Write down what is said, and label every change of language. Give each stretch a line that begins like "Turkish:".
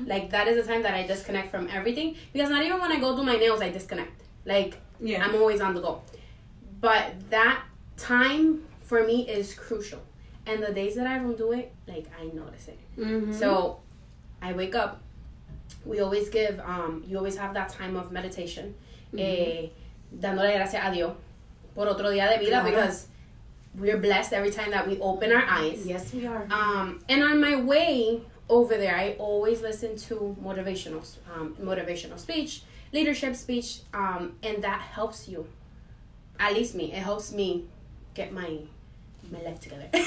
English: Like, that is the time that I disconnect from everything. Because not even when I go do my nails, I disconnect. Like, I'm always on the go. But that time for me is crucial. And the days that I don't do it, like, I notice it. Mm-hmm. So I wake up. We always give, you always have that time of meditation. Mm-hmm.
Spanish: Dándole gracias a Dios por otro día de vida. Claro.
English: Because we're blessed every time that we open our eyes. Yes, we are. And on my way over there, I always listen to motivational speech, leadership speech, and that helps you. At least me. It helps me get my life together.